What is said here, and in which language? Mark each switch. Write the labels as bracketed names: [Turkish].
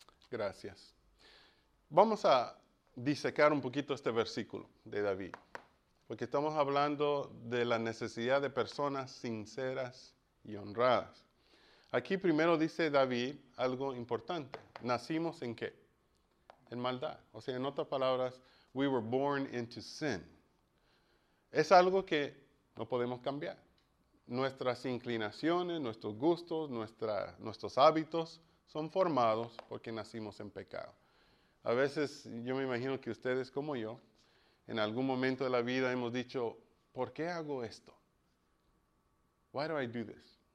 [Spanish] Gracias. Vamos a disecar un poquito este versículo de David, porque estamos hablando de la necesidad de personas sinceras y honradas. Aquí primero dice David algo importante. ¿Nacimos en qué? En maldad. O sea, en otras palabras, [English] we were born into sin. [Spanish] Es algo que no podemos cambiar. Nuestras inclinaciones, nuestros gustos, nuestros hábitos son formados porque nacimos en pecado. A veces, yo me imagino que ustedes como yo, en algún momento de la vida hemos dicho, ¿por qué hago esto? [English] Why do I do this?